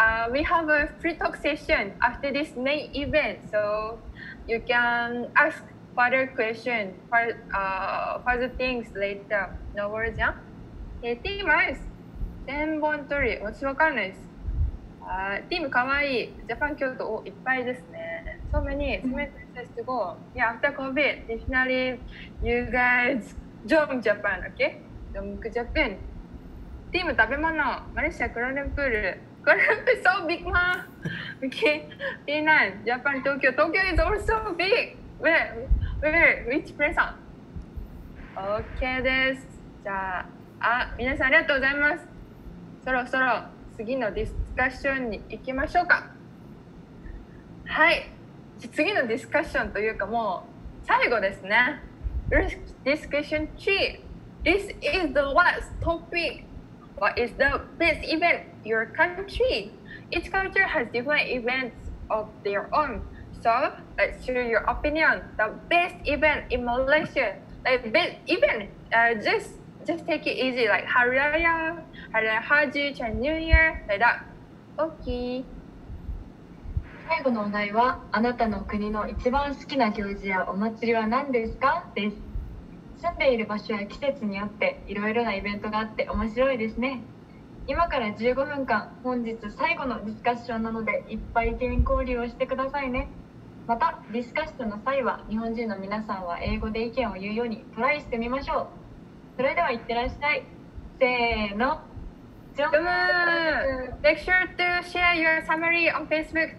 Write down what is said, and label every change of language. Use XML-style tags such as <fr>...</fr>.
<en>we have a free talk session after this main event, so you can ask further questions, further things later. No worries, yeah? Okay, team eyes.</en> <ja>千本鳥、私分からないです。 Team かわいい。Japan 京都、いっぱいですね。</ja> <en>So many. So many places to go. Yeah, after COVID, definitely you guys jump Japan, okay? Jump Japan. Team 食べ物、マレーシア、クラルンプール。 Kuala is so big, ma. Okay, Penang, Japan, Tokyo. Tokyo is also big. Where? Which place? Okay, this.</en> <ja>じゃあ、皆さんありがとうございます。そろそろ次のディスカッションに行きましょうか。はい。次のディスカッションというかもう最後ですね。</ja> <en>Discussion 3. This is the last topic. What is the best event in your country? Each culture has different events of their own. So, let's share your opinion. The best event in Malaysia. Like, best event, just take it easy. Like, Hari Raya Haji, Chinese New Year, like that. Okay.</en> <ja>最後のお題は、あなたの国の一番好きな行事やお祭りは何ですか?です。住んでいる場所や季節によっていろいろなイベントがあって面白いですね。今から15分間、本日最後のディスカッションなのでいっぱい意見交流をしてくださいね。またディスカッションの際は日本人の皆さんは英語で意見を言うようにトライしてみましょう。それではいってらっしゃい。せーの、ジョン。</ja> <en>Make sure to share your summary on Facebook.</en>